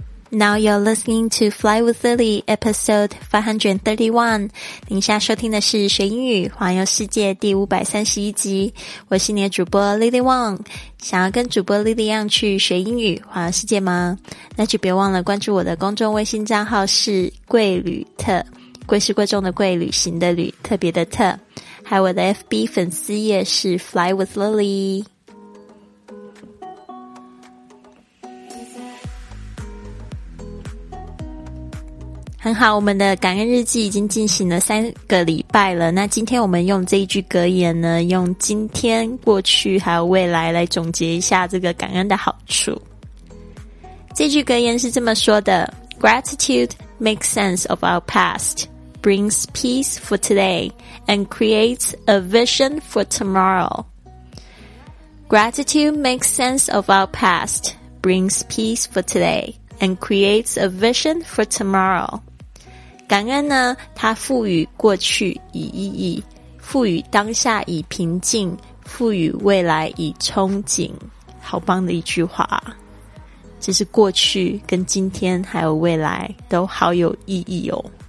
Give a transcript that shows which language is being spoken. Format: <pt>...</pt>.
<en>Now you're listening to Fly with Lily, episode 531.</en> <zh>您现在收听的是学英语环游世界第531集。我是你的主播 Lily Wang。想要跟主播 Lily 一样去学英语环游世界吗？那就别忘了关注我的公众微信账号是贵旅特。贵是贵重的贵，旅行的旅，特别的特。还有我的 FB 粉丝页是 Fly with Lily。很好，我们的感恩日记已经进行了三个礼拜了。那今天我们用这一句格言呢，用今天、过去还有未来来总结一下这个感恩的好处。这句格言是这么说的</zh> <en>,Gratitude makes sense of our past, brings peace for today, and creates a vision for tomorrow. Gratitude makes sense of our past, brings peace for today. And creates a vision for tomorrow.</en> <zh>感恩呢，它赋予过去以意义，赋予当下以平静，赋予未来以憧憬。好棒的一句话，这是过去跟今天还有未来都好有意义哦。</zh>